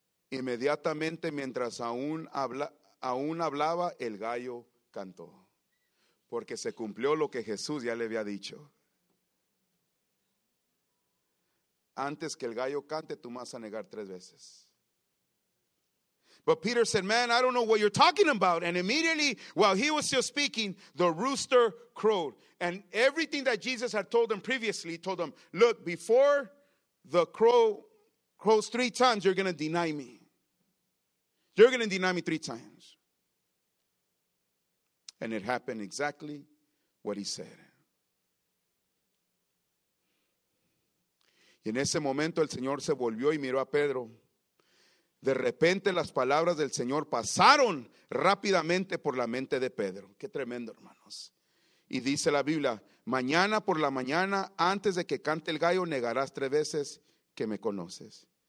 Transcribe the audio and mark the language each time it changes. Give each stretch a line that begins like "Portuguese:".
Spanish: Inmediatamente, mientras aún hablaba, el gallo cantó. Porque se cumplió lo que Jesús ya le había dicho. Antes que el gallo cante, tú vas a negar tres veces.
English: But Peter said, man, I don't know what you're talking about. And immediately, while he was still speaking, the rooster crowed. And everything that Jesus had told them previously, he told them, look, before the crow crows three times, you're going to deny me. You're going to deny me three times. And it happened exactly what he said.
Spanish: Y en ese momento, el Señor se volvió y miró a Pedro. De repente, las palabras del Señor pasaron rápidamente por la mente de Pedro. Qué tremendo, hermanos. Y dice la Biblia, mañana por la mañana, antes de que cante el gallo, negarás tres veces que me conoces.